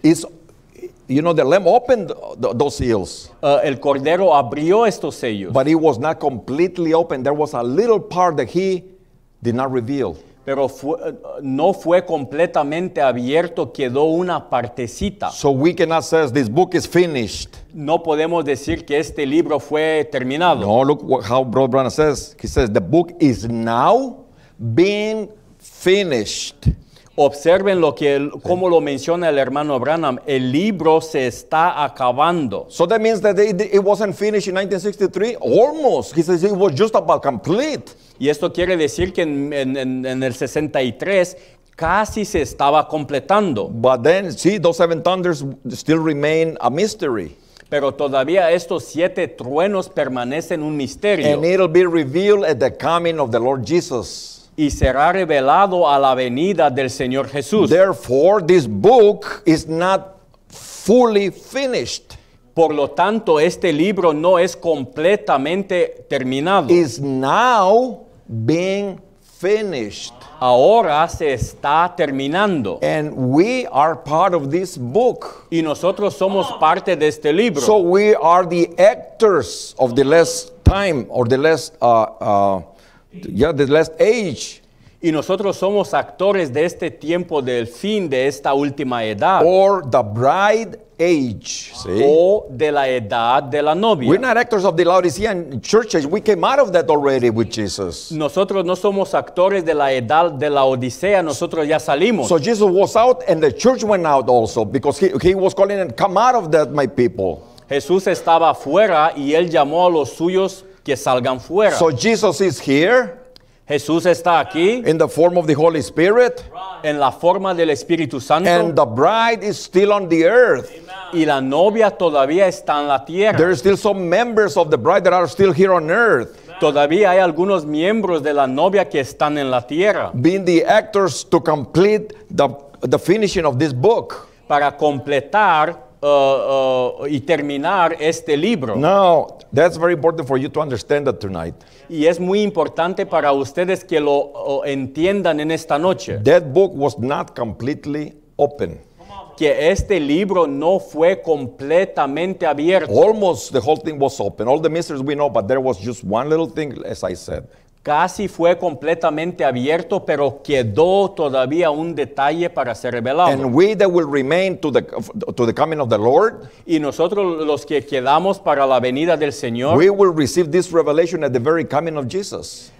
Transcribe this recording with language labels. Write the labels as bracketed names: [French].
[English] It's, you know, the lamb opened those seals. [Spanish] El cordero abrió estos sellos. [English] But it was not completely open. There was a little part that he did not reveal. [Spanish] Pero no fue completamente abierto, quedó una partecita. [English] So we cannot say this book is finished. [Spanish] No podemos decir que este libro fue terminado. [English] No, look how Brother Branham says. He says the book is now being finished. [Spanish] Observen lo que, como lo menciona el hermano Branham, el libro se está acabando. [English] So that means that it wasn't finished in 1963, almost. He says it was just about complete. [Spanish] Y esto quiere decir que en el 63 casi se estaba completando. [English] But then, see, those seven thunders still remain a mystery. [Spanish] Pero todavía estos siete truenos permanecen un misterio. [English] And it'll be revealed at the coming of the Lord Jesus. [Spanish] Y será revelado a la venida del Señor Jesús. [English] Therefore, this book is not fully finished. [Spanish] Por lo tanto, este libro no es completamente terminado. [English] Is now being finished. [Spanish] Ahora se está terminando. [English] And we are part of this book. [Spanish] Y nosotros somos parte de este libro. [English] So we are the actors of the last time or the last the last age. [Spanish] Y nosotros somos actores de este tiempo del fin de esta última edad. [English] Or the bride age. See? [Spanish] O de la edad de la novia. [English] We're not actors of the Laodicean church age. We came out of that already with Jesus. [Spanish] Nosotros no somos actores de la edad de la Odisea. Nosotros ya salimos. [English] So Jesus was out and the church went out also because he was calling and come out of that, my people. [Spanish] Jesús estaba fuera y él llamó a los suyos que salgan fuera. [English] So Jesus is here. [Spanish] Jesús está aquí. [English] In the form of the Holy Spirit. [Spanish] En la forma del Espíritu Santo. [English] And the bride is still on the earth. [Spanish] Y la novia todavía está en la tierra. [English] There are still some members of the bride that are still here on earth. [Spanish] Todavía hay algunos miembros de la novia que están en la tierra. [English] Being the actors to complete the finishing of this book. [Spanish] Para completar y terminar este libro. [English] Now, that's very important for you to understand that tonight. [Spanish] Y es muy importante para ustedes que lo entiendan en esta noche. [English] That book was not completely open. [Spanish] Que este libro no fue completamente abierto. [English] Almost the whole thing was open. All the mysteries we know, but there was just one little thing, as I said. [Spanish] Casi fue completamente abierto, pero quedó todavía un detalle para ser revelado. [English] And we that will remain to the coming of the Lord. [Spanish] Y nosotros los que quedamos para la venida del Señor. [English] We will receive this revelation at the very coming of Jesus.